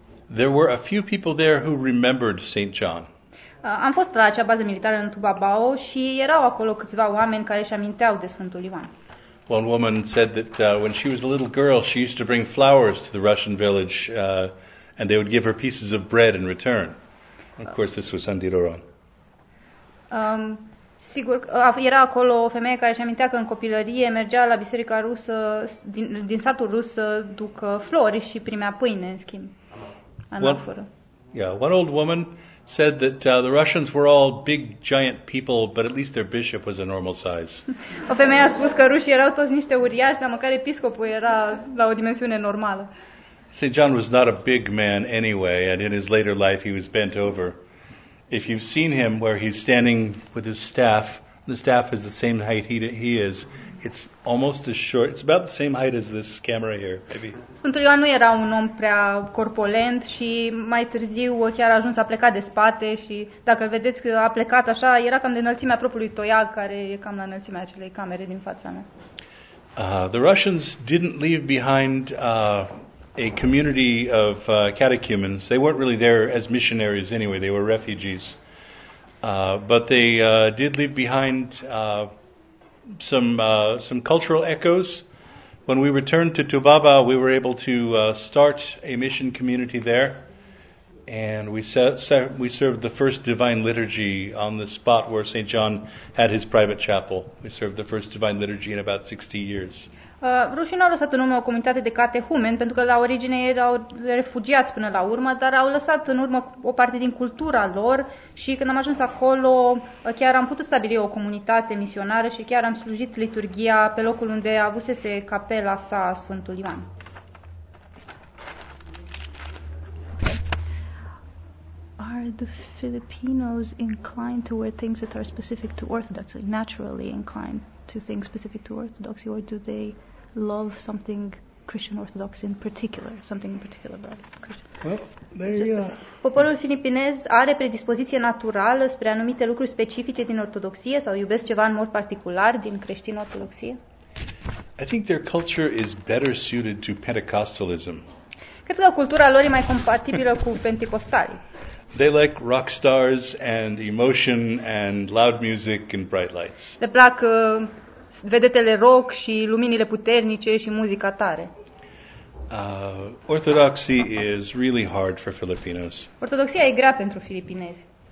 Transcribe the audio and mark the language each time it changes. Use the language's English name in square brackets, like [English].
[English] There were a few people there who remembered St. John. [Romanian] Am fost la acea bază militară în Tubabao și erau acolo câțiva oameni care își aminteau de Sfântul Ioan. [English] One woman said that when she was a little girl, she used to bring flowers to the Russian village and they would give her pieces of bread in return. Of course, this was Andiroron. [Romanian] Sigur, era acolo o femeie care își amintea că în copilărie mergea la biserica rusă, din satul rus să ducă flori și primea pâine, în schimb, anafură. [English] One old woman said that the Russians were all big, giant people, but at least their bishop was a normal size. [Romanian] O femeie a spus că rușii erau toți niște uriași, dar măcar episcopul era la o dimensiune normală. [English] St. John was not a big man anyway, and in his later life he was bent over. If you've seen him where he's standing with his staff, the staff is the same height he is, It's almost as short. It's about the same height as this camera here, maybe. [Romanian] Sfântul Ioan nu era un om prea corpulent și mai târziu chiar a ajuns să plece de spate și dacă vedeți că a plecat așa, era cam de înălțimea propriului toiag, care e cam la înălțimea acelei camere din fața mea. [English] The Russians didn't leave behind a community of catechumens. They weren't really there as missionaries anyway. They were refugees. But they did leave behind some cultural echoes. When we returned to Tubaba, we were able to start a mission community there. And we served the first divine liturgy on the spot where St. John had his private chapel. We served the first divine liturgy in about 60 years. [Romanian] Rușii nu au lăsat în urmă o comunitate de catehumeni, pentru că la origine erau refugiați până la urmă, dar au lăsat în urmă o parte din cultura lor și când am ajuns acolo, chiar am putut stabili o comunitate misionară și chiar am slujit liturghia pe locul unde avusese capela sa Sfântul Ioan. [English] Are the Filipinos inclined to wear things that are specific to Orthodoxy, naturally inclined to things specific to Orthodoxy, or do they love something Christian Orthodox in particular, something in particular about Christian? [Romanian] Poporul filipinez are predispoziție naturală spre anumite lucruri specifice din Ortodoxie sau iubesc ceva în mod particular din creștin Ortodoxie? [English] I think their culture is better suited to Pentecostalism. [Romanian] Cred că cultura lor e mai compatibilă cu penticostali. [English] They like rock stars and emotion and loud music and bright lights. [Romanian] Le plac vedetele rock și luminile puternice și muzica tare. [English] Orthodoxy is really hard for Filipinos. [Romanian] Ortodoxia e grea pentru filipinezi.